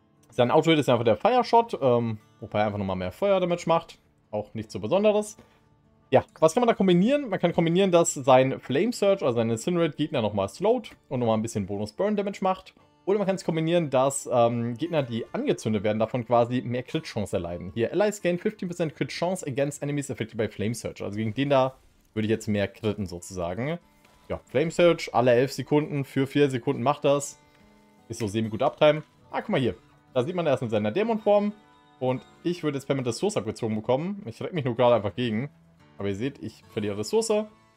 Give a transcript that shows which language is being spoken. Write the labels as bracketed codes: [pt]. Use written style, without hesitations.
[de] Sein Outrate ist einfach der Fire Shot, wobei er einfach nochmal mehr Feuerdamage macht. Auch nichts so Besonderes. Ja, was kann man da kombinieren? Man kann kombinieren, dass sein Flame Surge, also sein Incinerate, Gegner nochmal slowt und nochmal ein bisschen Bonus Burn Damage macht. Oder man kann es kombinieren, dass Gegner, die angezündet werden, davon quasi mehr Crit Chance erleiden. [en] Hier, Allies gain 15% Crit Chance against enemies affected by Flame Surge. [de] Also gegen den da würde ich jetzt mehr critten sozusagen. Ja, Flame Surge, alle 11 Sekunden, für 4 Sekunden macht das. Ist so semi-gut Uptime. Ah, guck mal hier. Da sieht man erst in seiner Dämonform. Und ich würde jetzt permanent das Source abgezogen bekommen. Ich reck mich nur gerade einfach gegen. Aber ihr seht, ich verliere Ressource.